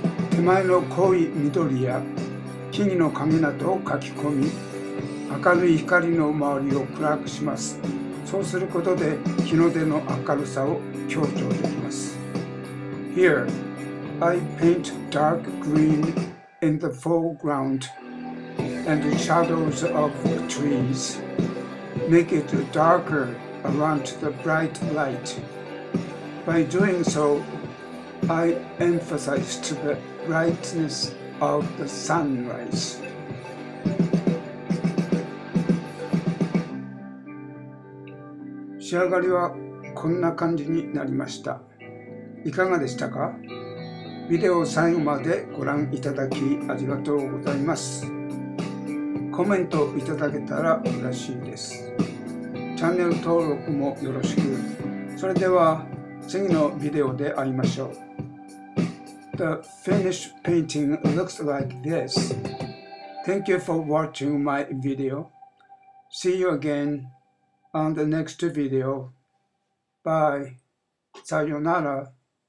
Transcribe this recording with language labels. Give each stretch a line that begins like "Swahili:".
Japanese: 手前の濃い緑や木々の影などを描き込み、明るい光の周りを暗くします。そうすることで日の出の明るさを強調できます。
English: Here, I paint dark greenin the foreground and the shadows of the trees. Make it darker around the bright light. By doing so, I emphasize the brightness of the sunrise.
Japanese: 仕上がりはこんな感じになりました。いかがでしたか？ビデオを最後までご覧いただきありがとうございます。コメントいただけたら嬉しいです。チャンネル登録もよろしく。それでは次のビデオで会いましょう。
English: The finished painting looks like this. Thank you for watching my video. See you again on the next video. Bye.
Japanese: さよなら。